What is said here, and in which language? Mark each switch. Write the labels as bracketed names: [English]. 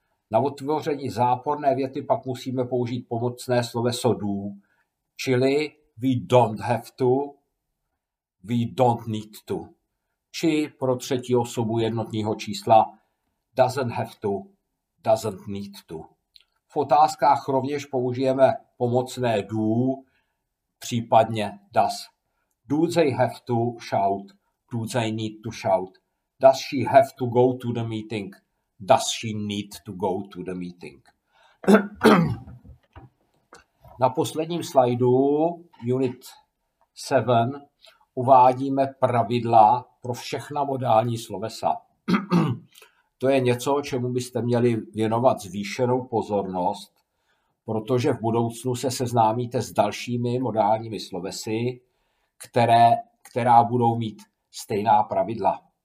[Czech] Na otvoření záporné věty pak musíme použít pomocné sloveso do, čili [English] we don't have to, we don't need to. [Czech] Či pro třetí osobu jednotného čísla [English] doesn't have to, doesn't need to. [Czech] V otázkách rovněž použijeme pomocné do, případně does. [English] Do they have to shout? Do they need to shout? Does she have to go to the meeting? Does she need to go to the meeting? [Czech] Na posledním slajdu Unit 7 uvádíme pravidla pro všechna modální slovesa. To je něco, čemu byste měli věnovat zvýšenou pozornost, protože v budoucnu se seznámíte s dalšími modálními slovesy, která budou mít stejná pravidla.